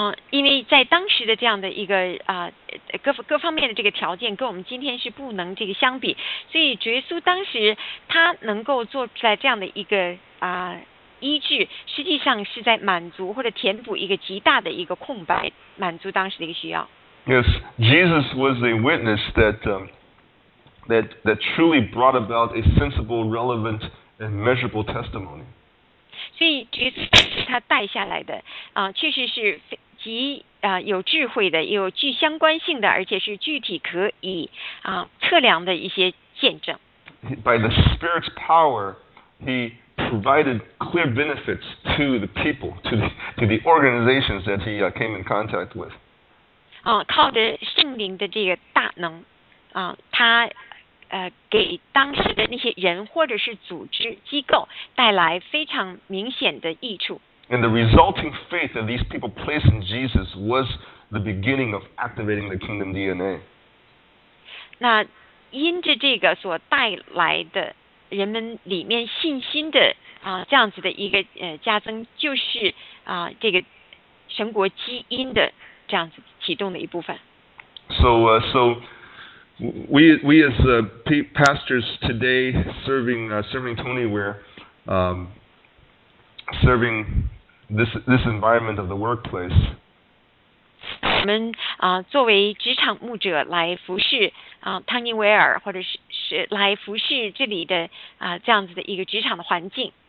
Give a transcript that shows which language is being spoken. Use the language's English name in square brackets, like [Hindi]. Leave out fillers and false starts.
[Chinese] 因为在当时的这样的一个各方面的这个条件跟我们今天是不能这个相比，所以耶稣当时他能够做出来这样的一个医治，实际上是在满足或者填补一个极大的一个空白，满足当时的一个需要。 [English] Yes, Jesus was a witness that truly brought about a sensible, relevant, and measurable testimony. [Chinese] 所以耶稣他带下来的确实是极有智慧的，有具相关性的，而且是具体可以测量的一些见证。 [English] By the Spirit's power, he provided clear benefits to the people, to the organizations that he came in contact with. [Chinese] 靠着圣灵的这个大能，他给当时的那些人或者是组织机构带来非常明显的益处。 [English] And the resulting faith that these people placed in Jesus was the beginning of activating the kingdom DNA. [Chinese] 那因着这个所带来的人们里面信心的这样子的一个加增，就是这个神国基因的这样子启动的一部分。 [English] So we as pastors today serving Tony Ware, serving this environment of the workplace. [Chinese] 我们作为职场牧者来服侍汤尼维尔，或者是来服侍这里的这样子的一个职场的环境。